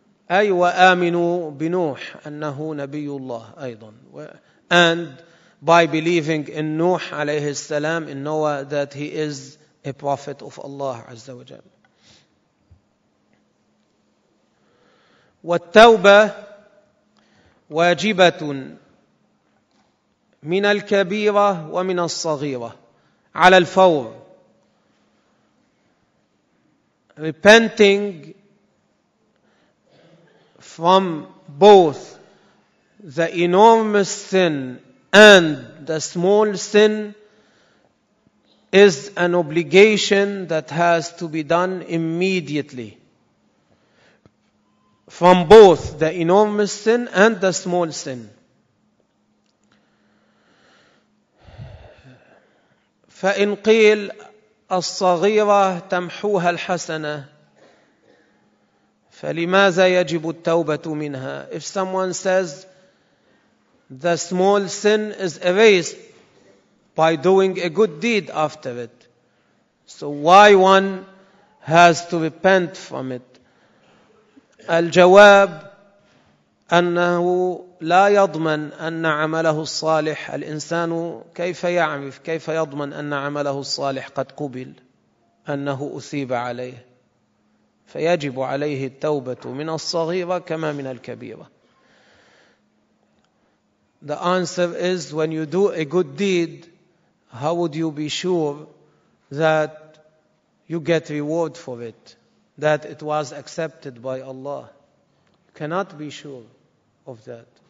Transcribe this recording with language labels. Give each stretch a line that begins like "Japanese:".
Arabic: أي وآمنوا بنوح أنه نبي الله أيضا.
English: And by believing in نوح عليه السلام in Noah that he is a prophet of Allah عز وجل.
Arabic: والتوبة واجبة من الكبيرة ومن الصغيرة على الفور.
English: Repenting from both the enormous sin and the small sin is an obligation that has to be done immediately. From both the enormous sin and the small sin.
Arabic: فإن قيل الصغيرة تمحوها الحسنة فَلِمَاذَا يَجِبُ التَّوْبَةُ مِنْهَا.
English: If someone says the small sin is erased by doing a good deed after it, so why one has to repent from it?
Arabic: الجواب أنه لا يضمن أن عمله الصالح. الإنسان كيف يعرف كيف يضمن أن عمله الصالح قد قبل أنه أثيب عليه؟ فيجب عليه التوبة من الصغيرة كما من الكبيرة.
English: The answer is when you do a good deed, how would you be sure that you get reward for it, that it was accepted by Allah? You cannot be sure of that.